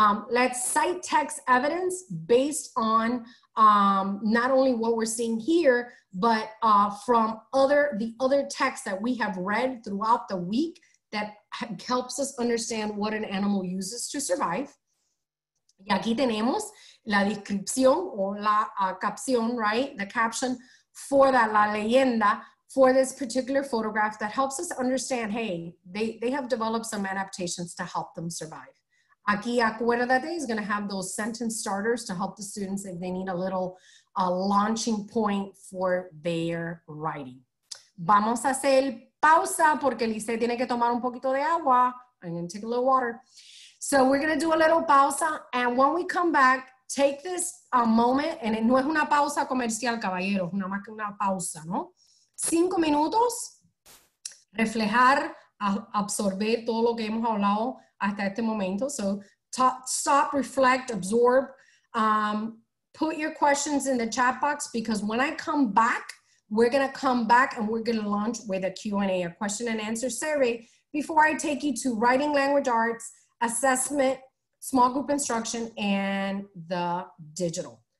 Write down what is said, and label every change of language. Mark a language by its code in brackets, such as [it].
[en] Let's cite text evidence based on not only what we're seeing here, but from the other texts that we have read throughout the week that helps us understand what an animal uses to survive. [es] Y aquí tenemos la descripción o la caption, [en] right? The caption for that, la leyenda, for this particular photograph that helps us understand, hey, they have developed some adaptations to help them survive. Aquí, acuérdate, is gonna have those sentence starters to help the students if they need a little launching point for their writing. [es] Vamos a hacer pausa porque Lise tiene que tomar un poquito de agua. [en] I'm gonna take a little water. So we're gonna do a little pausa, and when we come back, take this moment, and [es] no es una pausa comercial, caballero, es más que una pausa, ¿no? 5 minutos, reflejar, absorber todo lo que hemos hablado hasta este momento. [en] So stop, reflect, absorb. Put your questions in the chat box, because when I come back, we're going to come back and we're going to launch with a Q&A, a question and answer survey, before I take you to writing language arts, assessment, small group instruction, and the digital.